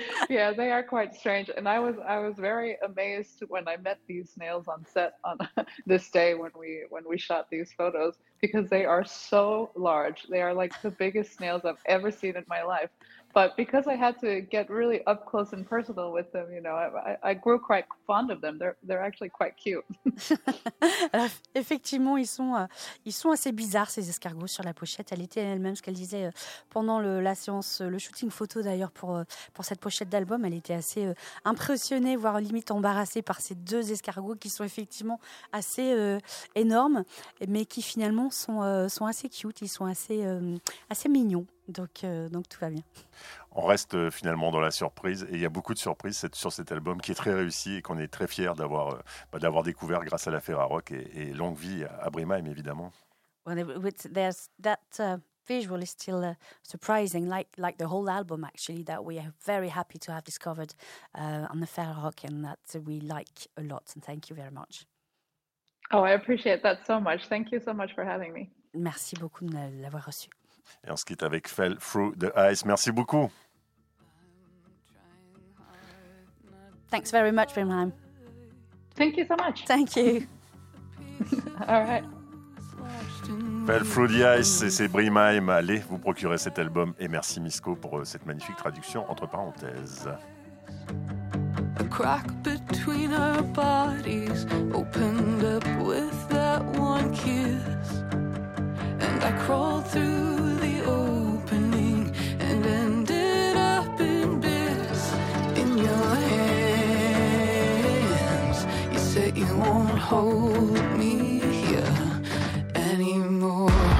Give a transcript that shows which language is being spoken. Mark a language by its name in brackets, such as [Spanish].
[English] Yeah, they are quite strange, and I was very amazed when I met these snails on set on this day when we shot these photos, because they are so large. They are like the biggest snails I've ever seen in my life. But because I had to get really up close and personal with them, you know, I grew quite fond of them. They're actually quite cute. [French] Effectivement, ils sont assez bizarres, ces escargots sur la pochette. Elle était elle-même, ce qu'elle disait pendant le shooting photo d'ailleurs pour cette pochette d'album, elle était assez impressionnée, voire limite embarrassée par ces deux escargots qui sont effectivement assez énormes, mais qui finalement sont assez cute, ils sont assez mignons. Donc tout va bien. On reste finalement dans la surprise, et il y a beaucoup de surprises sur cet album qui est très réussi et qu'on est très fiers d'avoir découvert grâce à la Ferrarock, et longue vie à Brimheim, évidemment. [English] Well, there's that visual is still surprising, like the whole album actually, that we are very happy to have discovered on the Ferrarock, and that we like a lot, and thank you very much. Oh, I appreciate that so much. Thank you so much for having me. [French] Merci beaucoup de l'avoir reçu. Et on se quitte avec Fell Through the Ice. Merci beaucoup. [English] Thanks very much, Brimheim. Thank you so much. Thank you. All right. [French] Fell Through the Ice, c'est Brimheim. Allez, vous procurez cet album. Et merci, Misko, pour cette magnifique traduction entre parenthèses. [English] A crack between our bodies opened up with that one kiss. And I crawled through the opening and ended up in bits. In your hands, you said you won't hold me here anymore.